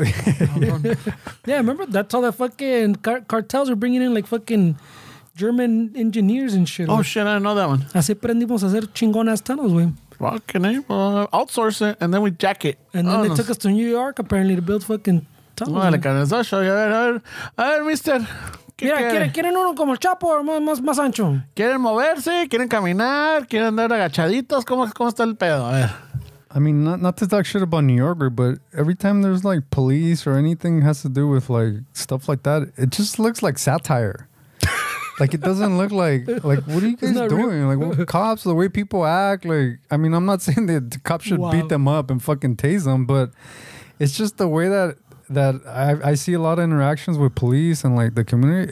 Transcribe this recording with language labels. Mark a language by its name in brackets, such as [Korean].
[English] yeah, remember that's all the fucking cartels are bringing in, like fucking German engineers and shit. Oh shit, I didn't know that one. [Spanish] Así aprendimos a hacer chingón [English] ass tunnels, [Spanish] güey. [English] Fucking A, outsource it, and then we jack it. And then they took us to New York, apparently, to build fucking tunnels. [Spanish] A ver, mister. Mira, ¿quieren uno como el Chapo o más ancho? ¿Quieren moverse? ¿Quieren caminar? ¿Quieren andar agachaditos? ¿Cómo está el pedo? A ver. [English] I mean, not to talk shit about New Yorker, but every time there's, like, police or anything has to do with, like, stuff like that, it just looks like satire. Like, it doesn't look like, what are you guys doing? Real? Like, what, cops, the way people act, like, I mean, I'm not saying that the cops should beat them up and fucking tase them, but it's just the way that I see a lot of interactions with police and, like, the community.